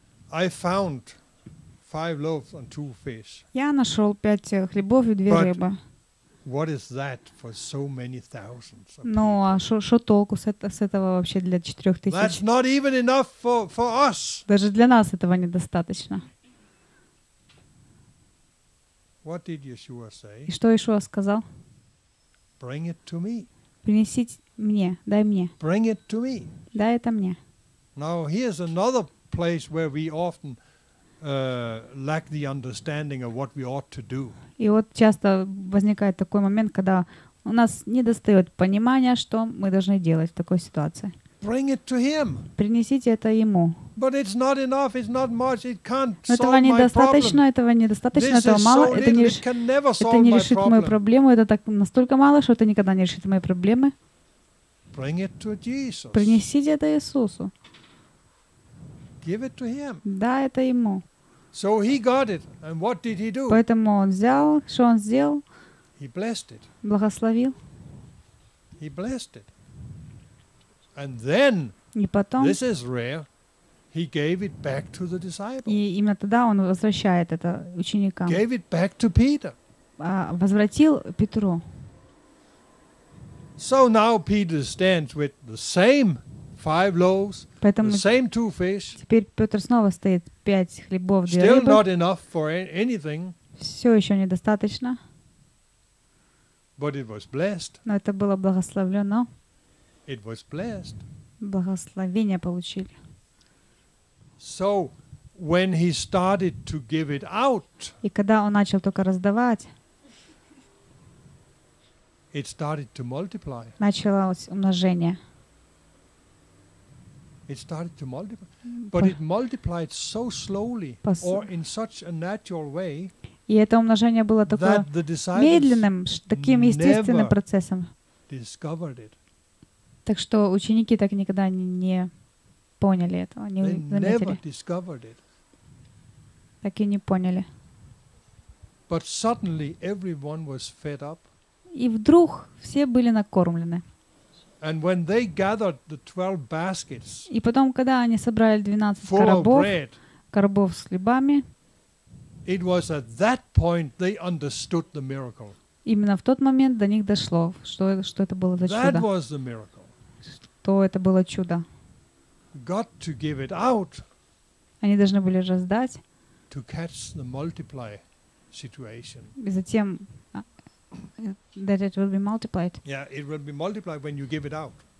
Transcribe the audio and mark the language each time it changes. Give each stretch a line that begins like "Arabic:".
English: I found five loaves and two fish.
Russian: Я нашел пять хлебов и две рыбы.
English: But what is that for so many thousands?
Russian: Ну, а что толку с этого вообще для 4000?
English: That's not even enough for us.
Russian: Даже для нас этого недостаточно.
English: What did Yeshua say?
Russian: И что Иешуа сказал?
English: Bring it to me.
Russian: Принесите мне, дай мне.
English: Bring it to me.
Russian: Дай это мне.
English: Now here's another place where we often lack the understanding of what we ought to do.
Russian: И вот часто возникает такой момент, когда у нас недостает понимания, что мы должны делать в такой ситуации.
English: Bring it to him.
Russian: Принесите это ему.
English: But it's not enough, it's not much, it can't solve my problem.
Russian: Этого недостаточно, этого недостаточно, этого мало, это не решит мою проблему, это так настолько мало, что это никогда не решит мои проблемы.
English: Bring it to Jesus.
Russian: Принесите это Иисусу.
English: Give it to him.
Russian: Да, это ему.
English: So he got it. And what did he do?
Russian: Поэтому он взял, что он сделал?
English: He blessed it.
Russian: Благословил.
English: He blessed it. And then,
Russian: и потом,
English: this is rare, he gave it back to the disciples.
Russian: И именно тогда он возвращает это ученикам.
English: Gave it back to Peter.
Russian: Возвратил Петру.
English: So now Peter stands with the same five loaves,
Russian: поэтому
English: the same two fish.
Russian: Теперь Петр снова стоит пять хлебов, две
English: still
Russian: рыбы.
English: Not enough for anything.
Russian: Все еще недостаточно.
English: But it was blessed.
Russian: Но это было благословлено.
English: It was blessed.
Russian: Благословение получили.
English: So when he started to give it out,
Russian: и когда он начал только раздавать,
English: it started to multiply.
Russian: Началось умножение.
English: It started to multiply, but it multiplied so slowly or in such a natural way.
Russian: И это умножение было такое медленным, таким естественным процессом.
English: Discovered it.
Russian: Так что ученики так никогда не поняли этого, не заметили. Так и не поняли.
English: But suddenly everyone was fed up.
Russian: И вдруг все были накормлены.
English: And when they gathered the 12 baskets,
Russian: и потом, когда они собрали 12 коробов с хлебами,
English: it was at that point they understood the miracle.
Russian: Именно в тот момент до них дошло, что это было за чудо.
English: That was the miracle.
Russian: Что это было чудо.
English: Got to give it out.
Russian: Они должны были раздать.
English: To catch the multiply situation.
Russian: И затем
English: that it will be multiplied. Yeah, it will be multiplied when you give it out.